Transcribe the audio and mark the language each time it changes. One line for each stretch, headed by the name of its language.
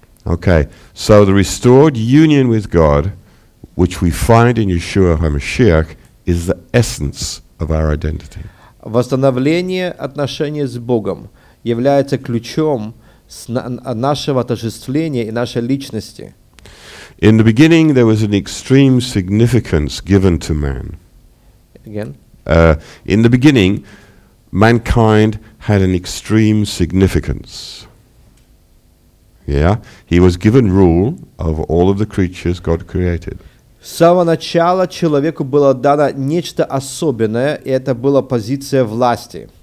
English: Okay, so the restored union with God, which we find in Yeshua HaMashiach, is the essence of our identity.
Russian: Восстановление отношений с Богом является ключом нашего отождествления и нашей личности.
English: In the beginning, there was an extreme significance given to man. Again? In the beginning, mankind had an extreme significance. Yeah? He was given rule of all of the creatures God created.
Russian: С самого начала человеку было дано нечто особенное, и это была позиция власти.